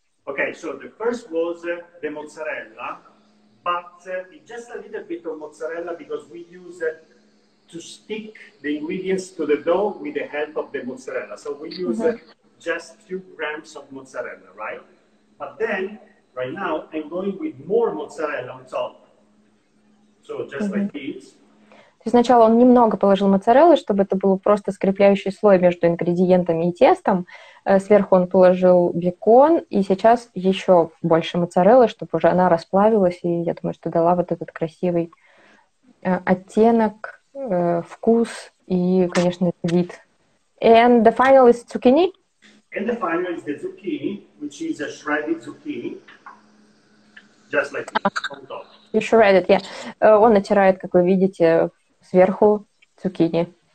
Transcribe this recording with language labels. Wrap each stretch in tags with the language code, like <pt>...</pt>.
<en>Okay, so the first was the mozzarella, but just a little bit of mozzarella because we use it to stick the ingredients to the dough with the help of the mozzarella. So we use just a few grams of mozzarella, right? But then, right now, I'm going with more mozzarella on top. So just like this.</en> <ru>То есть сначала он немного положил моцареллы, чтобы это был просто скрепляющий слой между ингредиентами и тестом. Сверху он положил бекон, и сейчас еще больше моцареллы, чтобы уже она расплавилась, и я думаю, что дала вот этот красивый оттенок, вкус и, конечно, вид.</ru> <en>And the final is zucchini? And the final is the zucchini, which is a shredded zucchini, just like this, on top. You shredded, yeah.</en> <ru>Он натирает, как вы видите, сверху цукини.</ru>